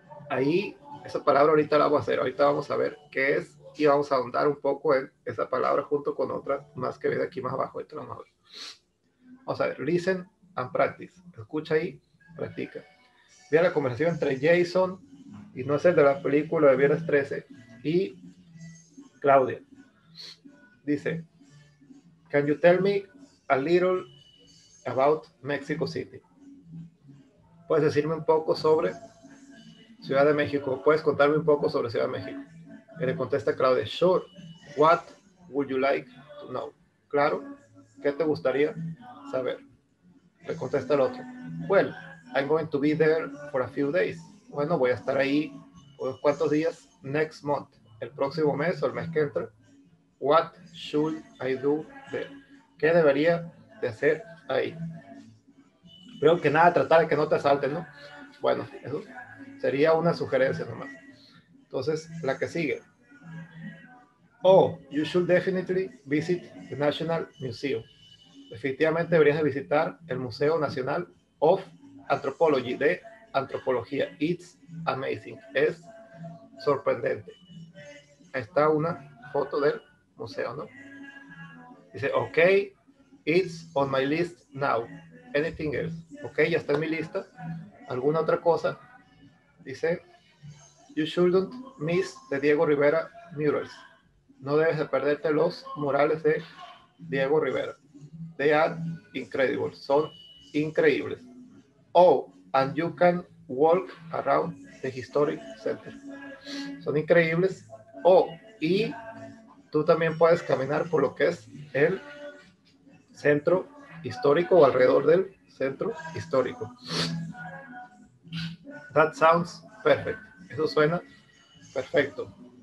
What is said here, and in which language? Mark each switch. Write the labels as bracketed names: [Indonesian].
[Spanish] Ahí, esa palabra ahorita la vamos a hacer. Ahorita vamos a ver qué es y vamos a ahondar un poco en esa palabra junto con otra más que viene aquí más abajo. Vamos a ver, [English] listen and practice. [Spanish] Escucha y practica. Vea la conversación entre Jason, y no es el de la película de Viernes 13, y Claudia. Dice, [English] can you tell me a little about Mexico City? [Spanish] ¿Puedes decirme un poco sobre Ciudad de México? ¿Puedes contarme un poco sobre Ciudad de México? Y le contesta Claudia, [English] sure, what would you like to know? Claro, ¿qué te gustaría saber? Le contesta el otro, well, I'm going to be there for a few days. [Spanish] bueno, voy a estar ahí unos cuantos días, [English] next month, [Spanish] el próximo mes o el mes que entra. [English] What should I do there? [Spanish] ¿Qué debería de hacer ahí? Creo que nada, tratar de que no te asalten, ¿no? Bueno, eso sería una sugerencia nomás. Entonces, la que sigue. [English] Oh, you should definitely visit the National Museum. [Spanish] Definitivamente deberías de visitar el Museo Nacional [English] of Anthropology, [Spanish] de antropología. [English] It's amazing. [Spanish] Es sorprendente. Ahí está una foto del museo, ¿no? Dice, [English] ok, it's on my list now. Anything else? [Spanish] Ok, ya está en mi lista. ¿Alguna otra cosa? Dice, [English] you shouldn't miss the Diego Rivera murals. [Spanish] No debes de perderte los murales de Diego Rivera. [English] They are incredible. [Spanish] Son increíbles. [English] Oh, and you can walk around the historic center. [Spanish] Son increíbles. Oh, y tú también puedes caminar por lo que es el centro histórico o alrededor del centro histórico. [English] That sounds perfect. [Spanish] Eso suena perfecto.